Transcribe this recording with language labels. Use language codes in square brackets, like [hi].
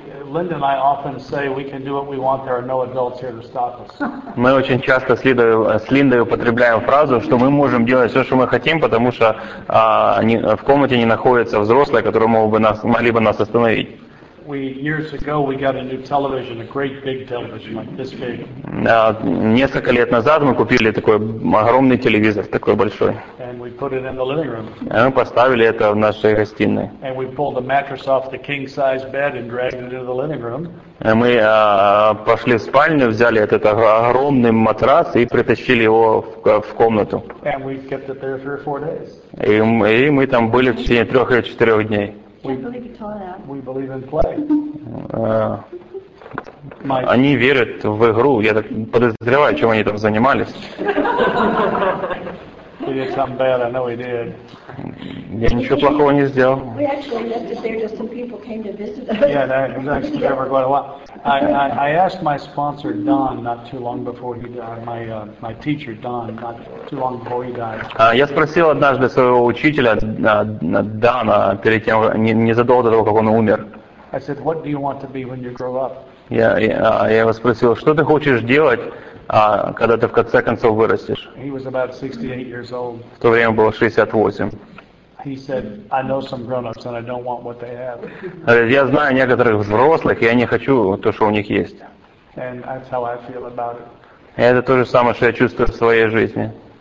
[en] Linda and I often say we can do what we want. There are no adults here to stop us. [ru] Мы очень часто с Линдой употребляем фразу, что мы можем делать все, что мы хотим, потому что в комнате не находятся взрослые, которые могли бы нас остановить. [en] years ago we got a new television, a great big television like this big. [ru] Несколько лет назад мы купили такой огромный телевизор, такой большой. [en] And we put it in the living room. [ru] И мы поставили это в нашей гостиной. [en] And we pulled the mattress off the king size bed and dragged it into the living room. [ru] И мы пошли в спальню, взяли этот огромный матрас и притащили его в комнату. [en] And we kept it there 3 or 4 days. [ru] И мы там были в течение 3 или 4 дней. [en] We believe in play. [ru] Они верят в игру. Я так подозреваю, чем они там занимались. [en] He did something bad. I know he did. [ru] Я ничего плохого не сделал. [en] We actually left it there just some people came to visit us. Yeah, that was actually never quite a lot. I asked my sponsor Don not too long before he died. My teacher Don not too long before he died. [ru] Я спросил однажды своего учителя Дана перед тем незадолго до того, как он умер. [en] I said, "What do you want to be when you grow up?" [ru] Я его спросил, что ты хочешь делать, когда ты в конце концов вырастешь? [en] He was about 68 years old. [ru] В то время было 68. [en] He said, "I know some grown-ups, and I don't want what they have." [ru] Я знаю некоторых взрослых, и я не хочу то, что у них есть. [en] And that's how I feel about it. [ru] И это то же самое, что я чувствую в своей жизни.